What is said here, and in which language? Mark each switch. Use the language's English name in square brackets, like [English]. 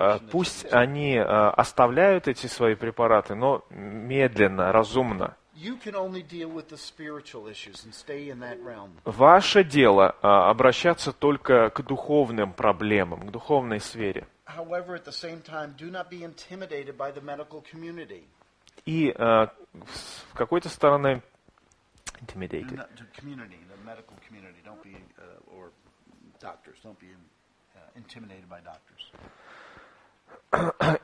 [Russian] Пусть они оставляют эти свои препараты, но медленно, разумно. [English] You can only deal with the spiritual issues and stay in that realm. [Russian] Ваше дело обращаться только к духовным проблемам, к духовной сфере. [English] However, at the same time, do not be intimidated by the medical community. [Russian] И в какой-то стороны intimidated. [English] Community, the medical community, don't be or doctors, don't be intimidated by doctors.